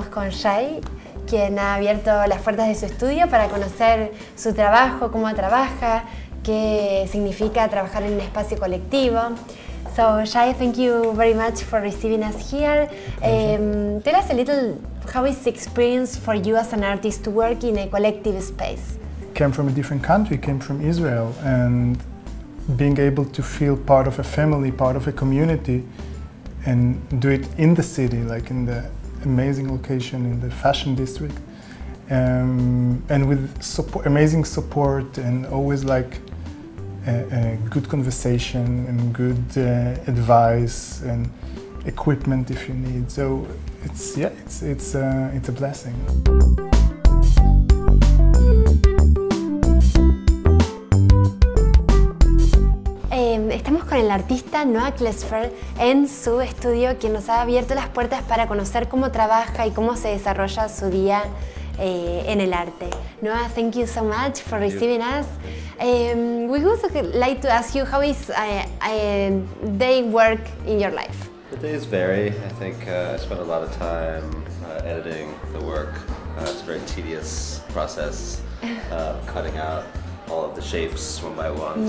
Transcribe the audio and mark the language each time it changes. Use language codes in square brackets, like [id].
[es] Shai, quien ha abierto las puertas de su estudio para conocer su trabajo, cómo trabaja, qué significa trabajar en un espacio colectivo. [en] So, Shai, thank you very much for receiving us here. Tell us a little, how is the experience for you as an artist to work in a collective space? Came from a different country, came from Israel, and being able to feel part of a family, part of a community, and do it in the city, like in the amazing location in the fashion district, and with support, amazing support, and always like a good conversation and good advice and equipment if you need. So it's a blessing. [es] Estamos con el artista Noah Klesfer en su estudio, quien nos ha abierto las puertas para conocer cómo trabaja y cómo se desarrolla su día en el arte. [en] Noah, thank you so much for receiving us. We would like to ask you, how is day work in your life? The days vary. I think I spend a lot of time editing the work. It's a very tedious process, cutting out all of the shapes one by one.